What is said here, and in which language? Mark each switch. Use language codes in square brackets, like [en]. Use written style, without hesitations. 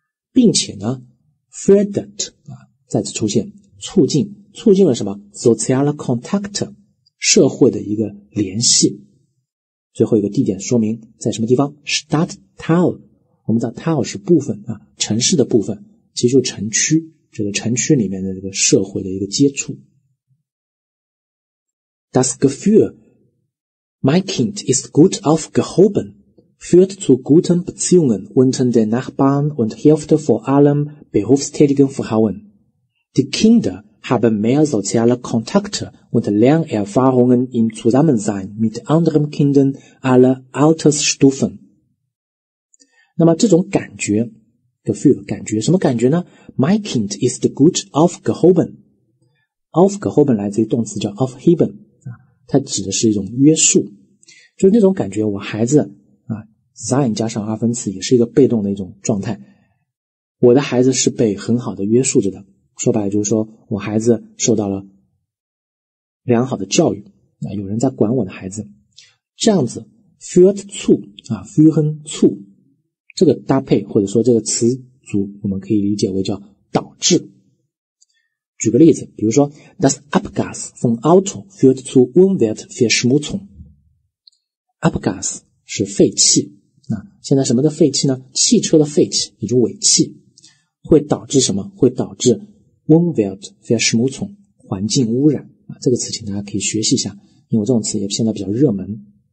[zh] 并且呢 fördert、啊、再次出现，促进了什么 ？ [en] Social contact， [zh] 社会的一个联系。最后一个地点说明在什么地方 ？Stadtteil， 我们知道 Teil 是部分啊，城市的部分，其实就城区，这个城区里面的这个社会的一个接触。 [de] Das Gefühl My Kind ist gut aufgehoben, führt zu guten Beziehungen unter den Nachbarn und hilft vor allem berufstätigen Frauen. Die Kinder haben mehr soziale Kontakte und Lernerfahrungen im Zusammensein mit anderen Kindern aller Altersstufen. [zh] 那么这种感觉 Gefühl, 感觉什么感觉呢 [de] My Kind ist gut aufgehoben. [zh] Aufgehoben 来自于动词叫 aufheben, 它指的是一种约束。就是那种感觉我孩子啊 sein 加上二分词也是一个被动的一种状态。我的孩子是被很好的约束着的。说白了就是说我孩子受到了良好的教育啊，有人在管我的孩子。这样子 führt zu, 啊 führen zu, 这个搭配或者说这个词组我们可以理解为叫导致。举个例子，比如说 [de] das Abgas von Auto führt zu Umweltverschmutzung。 [zh] Abgas 是废气，那现在什么的废气呢？汽车的废气，也就尾气，会导致什么？会导致 Umweltverschmutzung 环境污染啊。这个词请大家可以学习一下，因为这种词也现在比较热门。